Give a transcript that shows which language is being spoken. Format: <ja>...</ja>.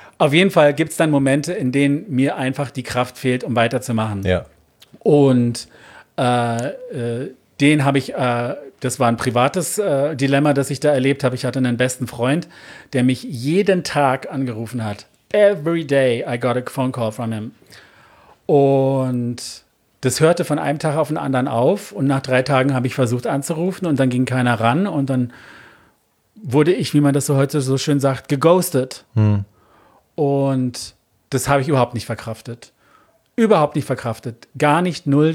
<de>Auf jeden Fall gibt es dann Momente, in denen mir einfach die Kraft fehlt, um weiterzumachen. Ja. Und den habe ich, das war ein privates Dilemma, das ich da erlebt habe. Ich hatte einen besten Freund, der mich jeden Tag angerufen hat.</de> <en>Every day I got a phone call from him.</en> <de>Und das hörte von einem Tag auf den anderen auf. Und nach 3 Tagen habe ich versucht anzurufen und dann ging keiner ran. Und dann wurde ich, wie man das so heute so schön sagt, geghostet. Hm. Und das habe ich überhaupt nicht verkraftet. Überhaupt nicht verkraftet. Gar nicht, null.</de>